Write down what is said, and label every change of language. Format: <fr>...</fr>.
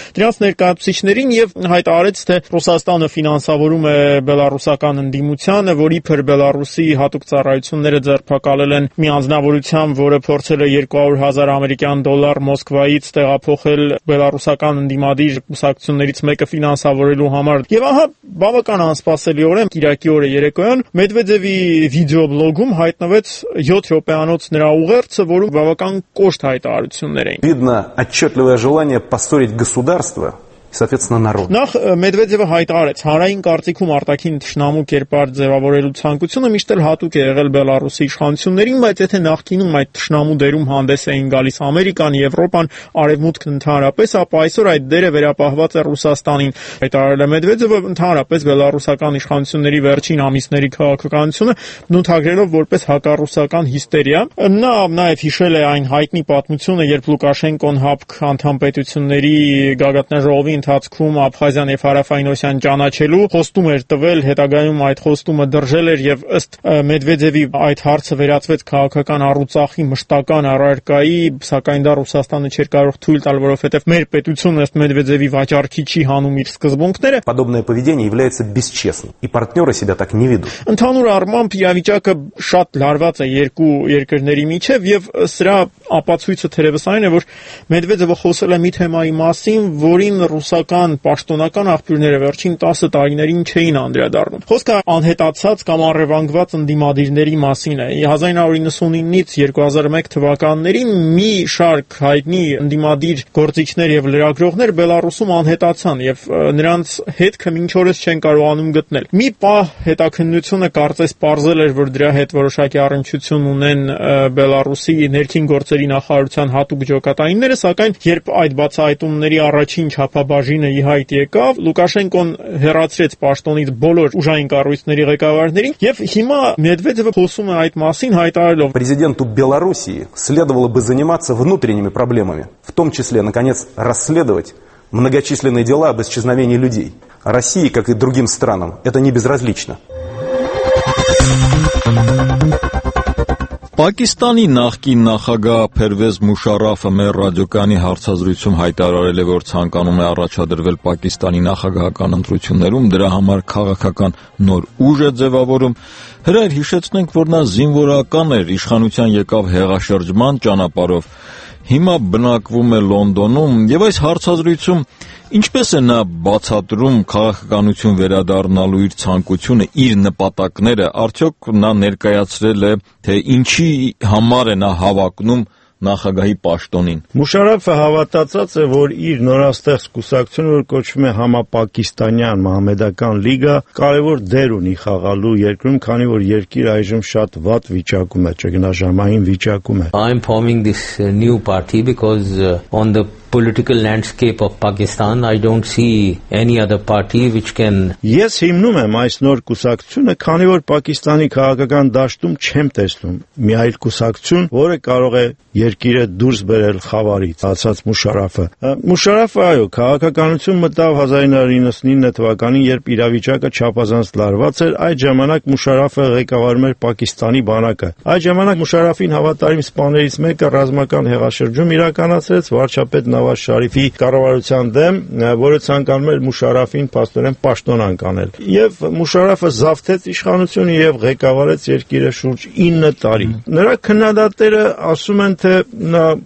<hy>դրանց ներկայացուցիչներին, և հայտարարեց, թե Ռուսաստանը ֆինանսավորում է բելառուսական ընդդիմությանը, որի փոր Բելառուսի հատուկ ծառայությունները ձերբակալել են մի անձնավորության, որը փորձել է 200 000 ամերիկյան դոլար Մոսկվայից տեղափոխել բելառուսական ընդդիմադիր կուսակցություններից մեկը ֆինանսավորելու համար։ Եվ ահա, բավական անսպասելիորեն, կիրակի օրը երեկոյան Մեդվեդևի վիդեոբլոգում հայտնվեց 7 րոպեանոց նրա ուղերձը, որում բավական կոշտ հայտարարություններ էին։</hy> <ru>Видно отчётливое желание поссорить государство и, соответственно, народ։</ru> <hy>Նախ Մեդվեդևը հայտարարեց, հանրային կարծիքում արտաքին ճշնամու կերպար ձևավորելու ցանկությունը միշտ էլ հատուկ է եղել Բելառուսի իշխանություններին, բայց եթե նախկինում այդ ճշնամու դերում հանդես էին գալիս Ամերիկան, Եվրոպան, Արևմուտքն ընդհանրապես, ապա այսօր այդ դերը վերապահված է Ռուսաստանին։ Հայտարարել է Մեդվեդևը ընդհանրապես բելառուսական իշխանությունների վերջին ամիսների քաղաքականությունը, նույնագրելով որպես հակառուսական հիստերիա։ Նա նաև հիշել է այն հայտնի պատմությունը, երբ Լուկաշենկոն ՀԱՊԿ անդամպետությունների գագաթնաժողովի ընթացքում Աբխազիան և Հարավային Օսյան ճանաչելու խոստում էր տվել, հետագայում այդ խոստումը դրժել էր, և ըստ Մեդվեդևի այդ հարցը վերածվեց քաղաքական առուծախի մշտական առարկայի, սակայն դա Ռուսաստանը չէր կարող թույլ տալ, որովհետև մեր պետությունն ըստ Մեդվեդևի վաճառքի չի հանում իր սկզբունքները։</hy> <ru>Подобное поведение является бесчестным, и партнёры себя так не ведут։</ru> <hy>Ընդհանուր առմամբ իրավիճակը շատ լարված է երկու երկրների միջև, և սրա ապացույցը թերևս այն է, որ Մեդվեդևը խոսել է մի թեմայի մասին, որին ռուսական պաշտոնական աղբյուրները վերջին 10 տարիներին չէին անդրադառնում։ Խոսքը անհետացած կամ առևանգված ընդդիմադիրների մասին է։ 1999-ից 2001 թվականներին մի շարք հայտնի ընդդիմադիր գործիչներ եւ լրագրողներ Բելառուսում անհետացան, եւ նրանց հետքը մինչ օրս չեն կարողանում գտնել։ Մի պահ հետաքննությունը կարծես պարզել էր, որ դրա հետ որոշակի առնչություն ունեն Բելառուսի ներքին գործերի նախարարության հատուկ ջոկատայինները, սակայն երբ այդ բացահայտումների առաջին չափաբաժինը ի հայտ եկավ, Լուկաշենկոն հերացրեց պաշտոնից բոլոր ուժային կառույցների ղեկավարներին, եւ հիմա Մեդվեդևը խոսում է այդ մասին հայտարարելով.</hy> <ru>Президенту Белоруссии следовало бы заниматься внутренними проблемами, в том числе наконец расследовать многочисленные дела об исчезновении людей. России, как и другим странам, это не безразлично.</ru> <hy>Պակիստանի նախկին նախագահ Փերվեզ Մուշարաֆը մեր ռադիոկանի հարցազրույցում հայտարարել է, որ ցանկանում է առաջադրվել Պակիստանի նախագահական ընտրություններում, դրա համար քաղաքական նոր ուժ է ձևավորում։ Հրայր, հիշեցնենք, որ նա զինվորական էր, իշխանության եկավ հեղաշրջման ճանապարով, հիմա բնակվում է Լոնդոնում, և այս հարցազրույցում ինչպես է նա բացատրում քաղաքականություն վերադառնալու իր ցանկությունը, իր նպատակները, արդյոք նա ներկայացրել է, թե ինչի համար է նա հավակնում նախագահի պաշտոնին։ Մուշարաֆը հավատացած է, որ իր նորաստեղծ կուսակցությունը, որ կոչվում է համապակիստանյան մահմեդական լիգա, կարևոր դեր ունի խաղալու երկրում, քանի որ երկիր այժմ շատ վատ վիճակում է, ճգնաժամային վիճակում է։</hy> <en>I'm forming this new party because on the political landscape of Pakistan I don't see any other party which can</en> <hy>Yes, հիմնում եմ այս նոր կուսակցությունը, քանի որ Պակիստանի քաղաքական դաշտում չեմ տեսնում մի այլ կուսակցություն, որը կարող է երկիրը դուրս բերել խավարից, ասաց Մուշարաֆը։ Մուշարաֆը, այո, քաղաքականություն մտավ 1999 թվականին, երբ իրավիճակը չափազանց լարված էր, այդ ժամանակ Մուշարաֆը ղեկավարում էր Պակիստանի բանակը։ Այդ ժամանակ Մուշարաֆին հավատարիմ սպաներից մեկը ռազմական հեղաշրջում իրականացրեց վարչապետ Նավազ Շարիֆի կառավարության դեմ, որը ցանկանում էր Մուշարաֆին փաստորեն պաշտոնան կանել։ Եվ Մուշարաֆը զավթեց իշխանությունը և ղեկավարեց երկիրը շուրջ 9 տարի։ Նրա քննադատները ասում են, թե նա</hy>